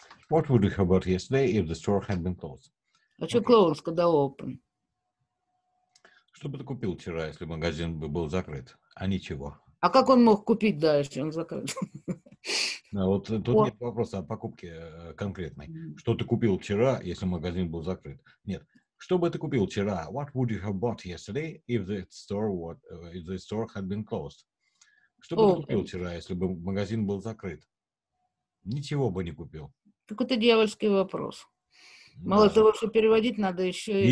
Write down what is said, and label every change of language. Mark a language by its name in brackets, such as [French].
[English] What would you have bought yesterday if the store had been closed? [Russian] А что closed, когда open? Что бы ты купил вчера, если магазин был закрыт? А ничего. А как он мог купить дальше, если он закрыт? Да, вот тут нет вопроса о покупке конкретной. Что ты купил вчера, если магазин был закрыт? Нет. Что бы ты купил вчера? [English] What would you have bought yesterday if the store had been closed? [Russian] Что бы ты купил вчера, если бы магазин был закрыт? Ничего бы не купил. Так это дьявольский вопрос. Да. Мало того, что переводить, надо еще